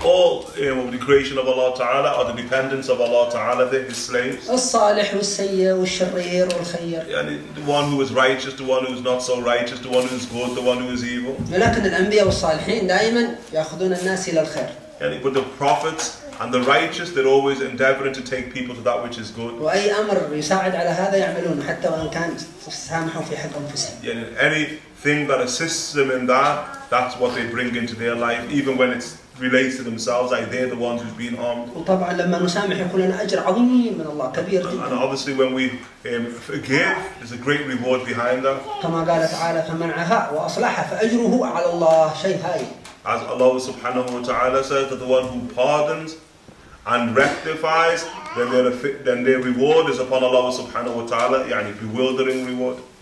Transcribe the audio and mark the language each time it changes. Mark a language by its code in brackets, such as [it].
[en] all of the creation of Allah Ta'ala are the dependents of Allah Ta'ala, they're his slaves. [ar] الصالح والسيء والشرير والخير. [en] يعني the one who is righteous, the one who is not so righteous, the one who is good, the one who is evil. [ar] ولكن الأنبياء والصالحين دائما يأخذون الناس إلى الخير. [en] يعني but the prophets and the righteous, they're always endeavoring to take people to that which is good. [ar] وأي أمر يساعد على هذا يعملون حتى وإن كان سامحوا في حق أنفسهم. [en] يعني anything that assists them in that, that's what they bring into their life, even when it relates to themselves, like they're the ones who've been harmed. [ar] وطبعا لما نسامح يكون لنا أجر عظيم من الله كبير جدا. [en] And obviously when we forgive, there's a great reward behind that. [ar] كما قال تعالى فمنعها وأصلحها فأجره على الله شيء هاي. [en] As Allah subhanahu wa ta'ala says, that the one who pardons and rectifies, then their reward is upon Allah subhanahu wa ta'ala, yani bewildering reward.